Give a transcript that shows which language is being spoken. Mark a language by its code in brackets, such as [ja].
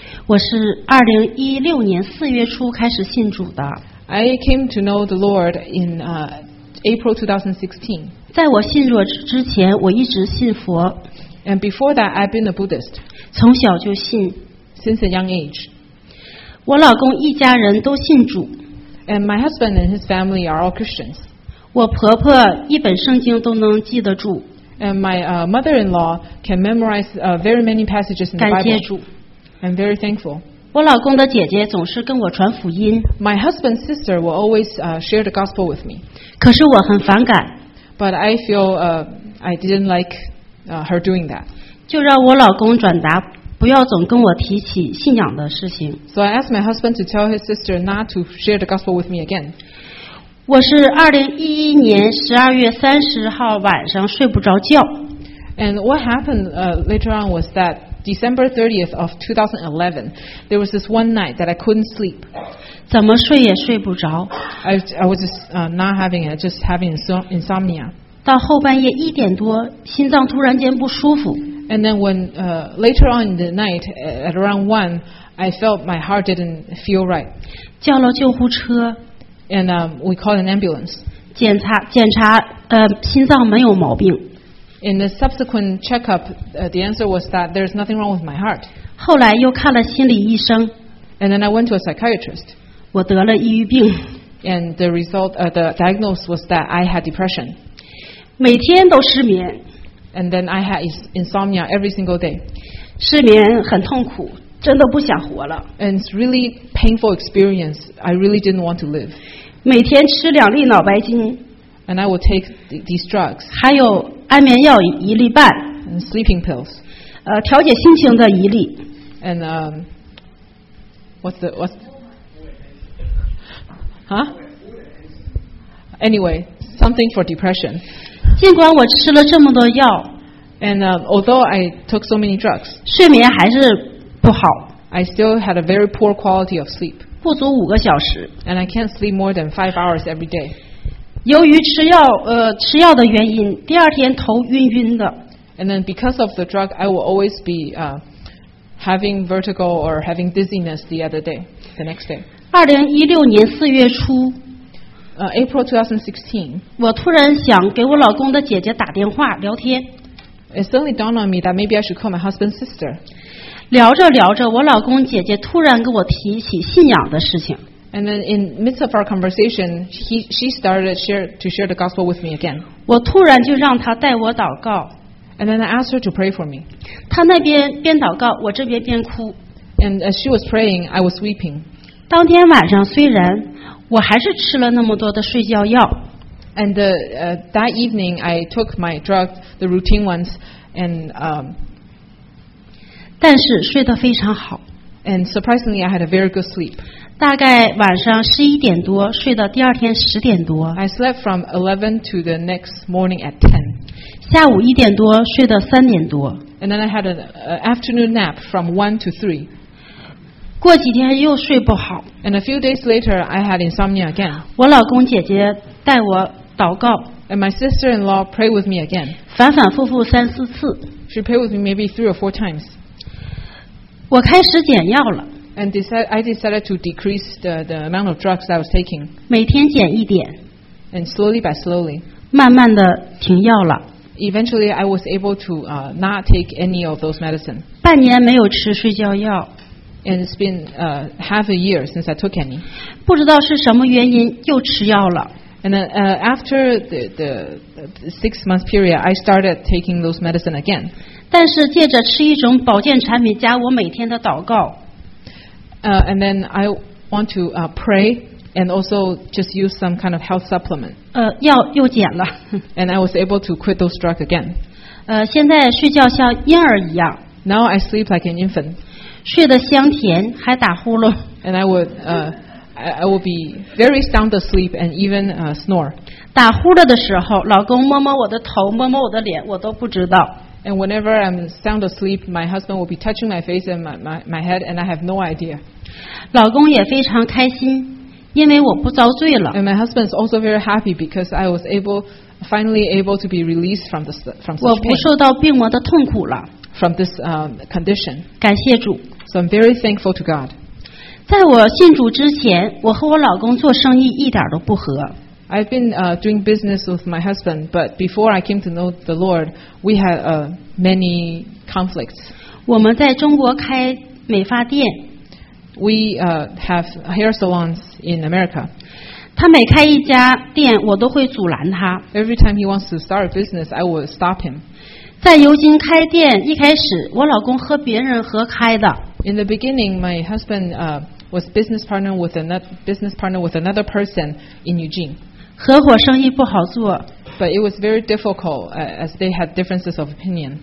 [zh] 我是2016年四月初开始信主的。 [en] I came to know the Lord in April 2016. [zh] 在我信主之前，我一直信佛。 [en] And before that, I've been a Buddhist. [zh] 从小就信。 [en] Since a young age. [zh] 我老公一家人都信主。 [en] And my husband and his family are all Christians. [zh] 我婆婆一本圣经都能记得住。 [en] And my mother-in-law can memorize very many passages in the Bible. [zh] 感谢主。 [en] I'm very thankful. [zh] 我老公的姐姐总是跟我传福音。 [en] My husband's sister will always share the gospel with me. [zh] 可是我很反感。 [en] But I feel I didn't like her doing that. [zh] 就让我老公转达，不要总跟我提起信仰的事情。 [en] So I asked my husband to tell his sister not to share the gospel with me again. [zh] 我是2011年12月30号晚上睡不着觉。 [en] And what happened later on was that December 30th of 2011, there was this one night that I couldn't sleep. [zh] 怎么睡也睡不着。 [en] I was just not having it, just having insomnia. [zh] 到后半夜一点多，心脏突然间不舒服。 [en] And then when later on in the night at around 1, I felt my heart didn't feel right. [zh] 叫了救护车。 [en] And we called an ambulance. [zh] 检查心脏没有毛病。 [en] In the subsequent checkup, the answer was that there's nothing wrong with my heart. [zh] 后来又看了心理医生。 [en] And then I went to a psychiatrist. [zh] 我得了抑郁病。 [en] And the result, the diagnosis was that I had depression. [zh] 每天都失眠。 [en] And then I had insomnia every single day. [zh] 失眠很痛苦，真的不想活了。 [en] And it's really painful experience. I really didn't want to live. [zh] 每天吃两粒脑白金。 [en] And I would take these drugs. [zh] 还有安眠药一粒半。 [en] And sleeping pills. [zh] 调节心情的一粒。 [en] And what's huh? Anyway, something for depression. [zh] 尽管我吃了这么多药。 [en] And although I took so many drugs. [zh] 睡眠还是不好。 [en] I still had a very poor quality of sleep. [zh] 不足五个小时。 [en] And I can't sleep more than 5 hours every day. [zh] 由于吃药的原因，第二天头晕晕的。 [en] And then because of the drug, I will always be having vertigo or having dizziness the other day, the next day. [zh] 2016年4月初 [en] April 2016. [zh] 我突然想给我老公的姐姐打电话聊天。 [en] It suddenly dawned on me that maybe I should call my husband's sister. [zh] 聊着聊着，我老公姐姐突然跟我提起信仰的事情。 [en] And then in the midst of our conversation, she started to share the gospel with me again. [zh] 我突然就让她带我祷告。 [en] And then I asked her to pray for me. [zh] 她那边边祷告，我这边边哭。 [en] And as she was praying, I was weeping. [zh] 当天晚上虽然我还是吃了那么多的睡觉药。 [en] And that evening, I took my drugs, the routine ones, and [zh] 但是睡得非常好。 [en] And surprisingly, I had a very good sleep. [zh] 大概晚上11点多睡到第二天10点多。 [en] I slept from 11 to the next morning at 10. [zh] 下午1点多睡到3点多。 [en] And then I had an afternoon nap from 1 to 3. [zh] 过几天又睡不好。 [en] And a few days later, I had insomnia again. [zh] 我老公姐姐带我祷告。 [en] And my sister-in-law prayed with me again. [zh] 反反复复三四次。 [en] She prayed with me maybe 3 or 4 times. [zh] 我开始减药了。 [en] And I decided to decrease the amount of drugs I was taking. [zh] 每天减一点。 [en] And slowly by slowly. [zh] 慢慢的停药了。 [en] Eventually, I was able to not take any of those medicine. [zh] 半年没有吃睡觉药。 [en] And it's been half a year since I took any. [zh] 不知道是什么原因又吃药了。 [en] And then, after the 6 month period, I started taking those medicine again. [zh] 但是借着吃一种保健产品加我每天的祷告。 [en] And then I want to pray and also just use some kind of health supplement. [zh] 药又减了。 [en] And I was able to quit those drugs again. [zh] 现在睡觉像婴儿一样。 [en] Now I sleep like an infant. [zh] 睡得香甜，还打呼噜。 [en] And I would be very sound asleep and even snore. [zh] 打呼噜的时候，老公摸摸我的头，摸摸我的脸，我都不知道。 [en] And whenever I'm sound asleep, my husband will be touching my face and my head, and I have no idea. [zh] 老公也非常开心，因为我不遭罪了。 [en] And my husband is also very happy because I was finally able to be released from such pain. [zh] 我不受到病魔的痛苦了。 [en] From this condition. [zh] 感谢主。 [en] So I'm very thankful to God. [zh] 在我信主之前，我和我老公做生意一点都不合。 [en] I've been doing business with my husband, but before I came to know the Lord, we had many conflicts. [zh] 我们在中国开美发店。 [en] We have hair salons in America. [zh] 他每开一家店，我都会阻拦他。 [en] Every time he wants to start a business, I will stop him. [zh] 在尤金开店一开始，我老公和别人合开的。 [en] In the beginning, my husband was business partner with another person in Eugene. [zh] 合伙生意不好做。 [en] But it was very difficult as they had differences of opinion.